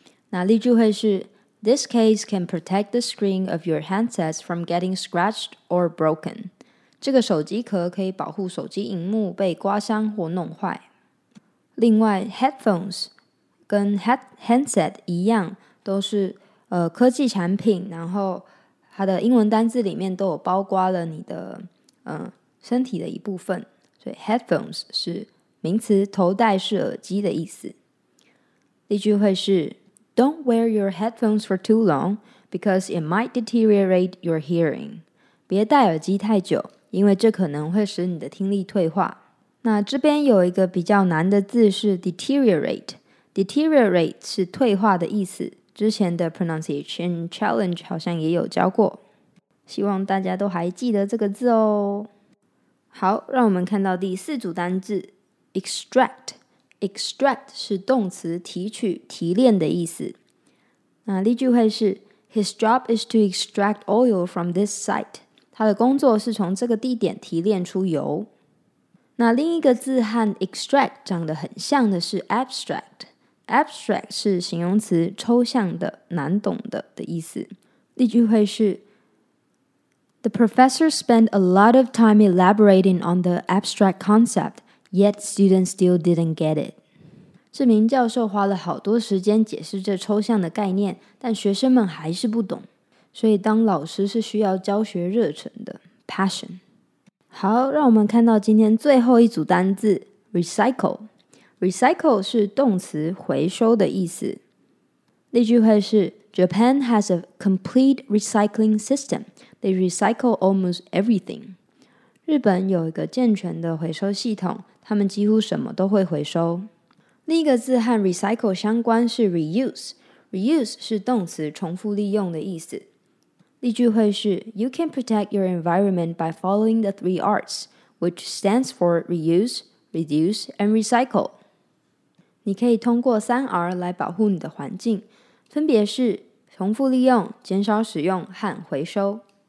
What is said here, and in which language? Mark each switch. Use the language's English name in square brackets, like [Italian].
[Chinese] 那例句会是 [English] This case can protect the screen of your handsets from getting scratched or broken. [Chinese] 这个手机壳可以保护手机萤幕被刮伤或弄坏。另外 headphones 跟 handset 一样，都是科技产品，然后它的英文单字里面都有包括了你的身体的一部分，所以 headphones 是名词，头戴式耳机的意思。例句会是 [English] Don't wear your headphones for too long because it might deteriorate your hearing. [Chinese] 别戴耳机太久，因为这可能会使你的听力退化。那这边有一个比较难的字是 deteriorate， deteriorate 是退化的意思。之前的 pronunciation challenge 好像也有教过，希望大家都还记得这个字哦。好，让我们看到第四组单字 extract。 extract 是动词，提取、提炼的意思。那例句会是 [English] His job is to extract oil from this site. [Chinese] 他的工作是从这个地点提炼出油。那另一个字和 extract 长得很像的是 abstract。 abstract 是形容词，抽象的、难懂的的意思。例句会是 [English] The professor spent a lot of time elaborating on the abstract concept, yet students still didn't get it. [Chinese] 这名教授花了好多时间解释这抽象的概念，但学生们还是不懂。所以当老师是需要教学热忱的 passion。好，让我们看到今天最后一组单字 recycle。 recycle 是动词回收的意思。例句会是 [English] Japan has a complete recycling system. They recycle almost everything. [Chinese] 日本有一个健全的回收系统，他们几乎什么都会回收。另一个字和 recycle 相关是 reuse。reuse 是动词重复利用的意思。例句会是 [English] You can protect your environment by following the three R's, which stands for reuse, reduce, and recycle. [Chinese] 你可以通过三 R 来保护你的环境，分别是重复利用、减少使用和回收。